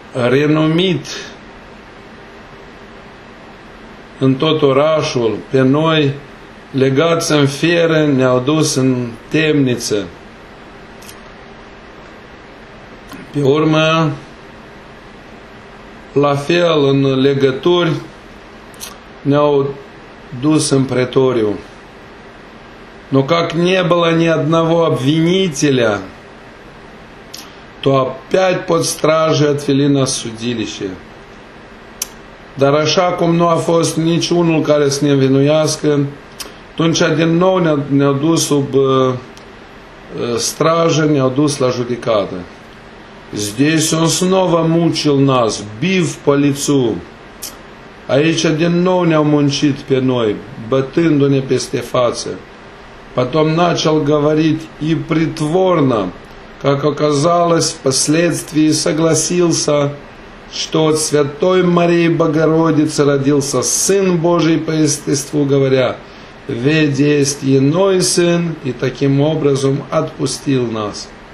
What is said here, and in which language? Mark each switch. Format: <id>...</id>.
<ro>renumit în tot orașul, pe noi, legați în fiere, ne-au dus în temniță. Pe urmă, la fel, în legături, ne-au dus în pretoriu.</ro> <ru>Но как не было ни одного обвинителя, то опять под стражей отвели нас в судилище.</ru> <ro>Dar așa cum nu a fost niciunul care să ne învinuiască, atunci din nou ne-au dus sub strajă, ne-au dus la judecată.</ro> <ru>Здесь он снова мучил нас, бив по лицу.</ru> <ro>Aici din nou ne-au muncit pe noi, bătându-ne peste față.</ro> <ru>Потом начал говорить и притворно, как оказалось, впоследствии согласился, что от Святой Марии Богородицы родился Сын Божий по естеству, говоря, «Ведь есть иной Сын», и таким образом отпустил нас.</ru>